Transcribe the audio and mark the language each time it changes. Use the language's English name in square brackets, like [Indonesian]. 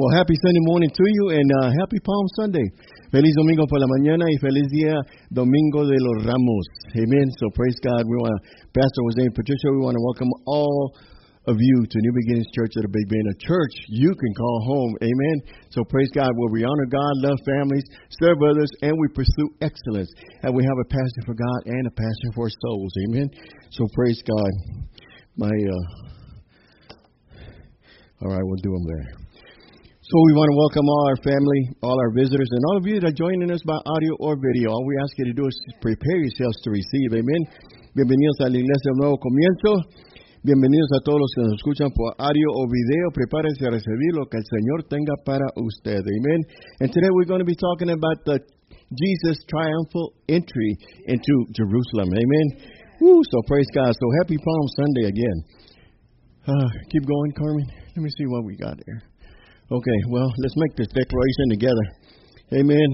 [English] Well, happy Sunday morning to you, and happy Palm Sunday. [Spanish] Feliz Domingo por la mañana y feliz día Domingo de los Ramos. [English] Amen. So praise God. We want to, Pastor Jose and Patricia, we want to welcome all of you to New Beginnings Church at a Big Bend, a church you can call home. Amen. So praise God. Where we honor God, love families, serve others, and we pursue excellence. And we have a passion for God and a passion for souls. Amen. So praise God. All right, we'll do them there. So we want to welcome all our family, all our visitors, and all of you that are joining us by audio or video. All we ask you to do is prepare yourselves to receive. Amen. [Spanish] Bienvenidos a la Iglesia del Nuevo Comienzo. Bienvenidos a todos los que nos escuchan por audio o video. Prepárense a recibir lo que el Señor tenga para usted. [English] Amen. And today we're going to be talking about the Jesus triumphal entry into Jerusalem. Amen. Woo, so praise God. So happy Palm Sunday again. Keep going, Carmen. Let me see what we got here. Okay, well, let's make this declaration together. Amen.